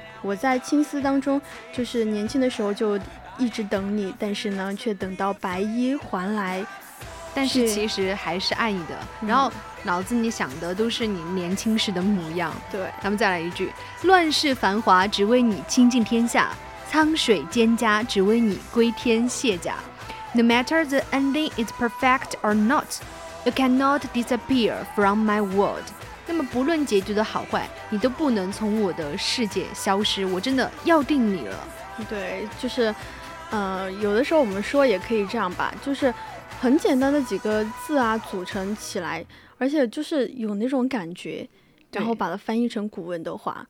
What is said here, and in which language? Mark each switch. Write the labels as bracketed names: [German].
[Chinese] 我在青丝当中就是年轻的时候就一直等你，但是呢却等到白衣还来，但是其实还是爱你的、嗯、然后脑子你想的都是你年轻时的模样。对，咱们再来一句，乱世繁华只为你倾尽天下，沧水蒹葭只为你归天卸甲。 [English] No matter the ending is perfect or not， You cannot disappear from my world。 [Chinese] 那么不论结局的好坏，你都不能从我的世界消失，我真的要定你了。对，就是有的时候我们说也可以这样吧，就是很简单的几个字啊组成起来，而且就是有那种感觉，然后把它翻译成古文的话。